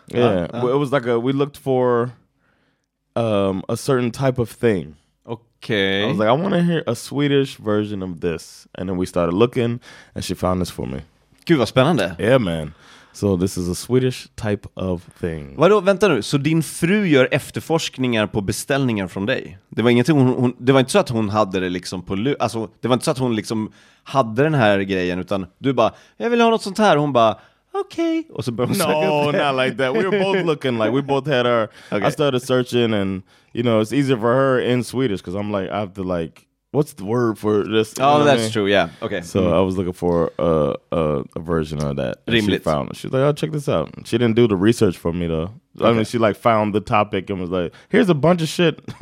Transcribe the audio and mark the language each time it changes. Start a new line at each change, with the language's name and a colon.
English: Yeah, it was like we looked for a certain type of thing. Okay. I was like, I want to hear a Swedish version of this. And then we started looking, and she found this for me.
Swedish: Gud, vad spännande.
English: Yeah, man. So this is a Swedish type of thing.
Swedish: Vadå, vänta nu. Så din fru gör efterforskningar på beställningar från dig? Det var ingenting hon det var inte så att hon hade det liksom på... Alltså, det var inte så att hon liksom hade den här grejen, utan du bara, jag vill ha något sånt här. Hon bara...
English: Okay.
Swedish: Och så började hon söka.
English: No, not like that. We were both looking like we both had our... Okay. I started searching and, you know, it's easier for her in Swedish because I'm like, I have to like, what's the word for this? Oh, you know that's true. Yeah. Okay. So mm-hmm. I was looking for a version of that.
Swedish: Rimligt.
English: She found it. She's like, oh, check this out. She didn't do the research for me though. Okay. I mean, she like found the topic and was like, here's a bunch of shit.